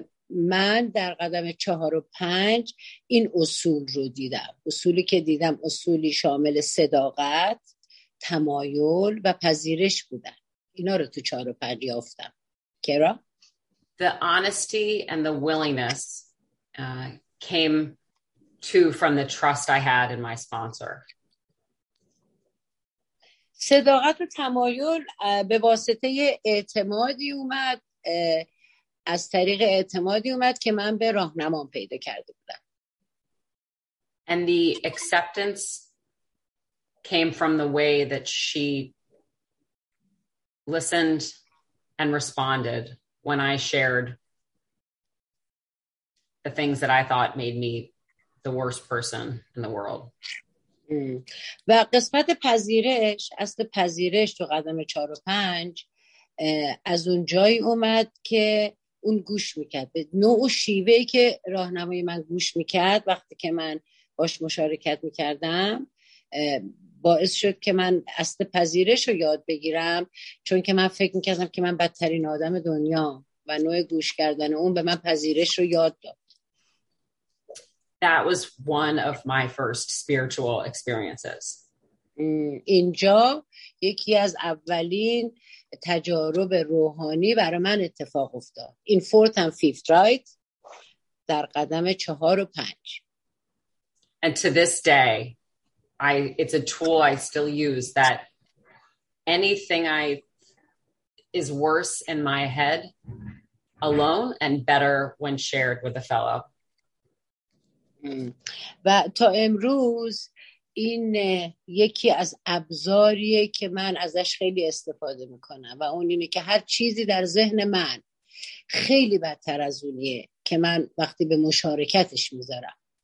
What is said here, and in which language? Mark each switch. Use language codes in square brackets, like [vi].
[fa] من در قدم 4 و 5 این اصول رو دیدم. اصولی که دیدم اصولی شامل صداقت، تمایل و پذیرش بودن. اینا رو تو 4 و 5 یافتم. کرا؟ [en] The honesty and the willingness came too from the trust I had in my sponsor. [fa] صداقت و تمایل به واسطه اعتمادی اومد، از طریق اعتمادی اومد که من به راهنمام پیدا کرده بودم. [en] And the acceptance came from the way that she listened and responded when I shared the things that I thought made me the worst person in the world. [fa] و قسمت پذیرش، از پذیرش تو قدم 4 و 5 از اون جایی اومد که اون گوش میکرد به نوع و شیوه ای که راهنمای من گوش میکرد وقتی که من باش مشارکت میکردم، باعث شد که من اصل پذیرش رو یاد بگیرم، چون که من فکر میکردم که من بدترین آدم دنیا و نوع گوش کردن اون به من پذیرش رو یاد داد. [en] That was one of my first spiritual experiences. [fa] اینجا یکی از اولین تجارب روحانی برای من اتفاق افتاد. [en] In fourth and fifth, right? [fa] در قدم 4 و 5. [en] And to this day, it's a tool I still use, that anything is worse in my head alone and better when shared with a fellow. [fa] و تا امروز این یکی از ابزاریه که من ازش خیلی استفاده میکنم و اون اینه که هر چیزی در ذهن من خیلی بدتر از اونیه که من وقتی به مشارکتش میذارم.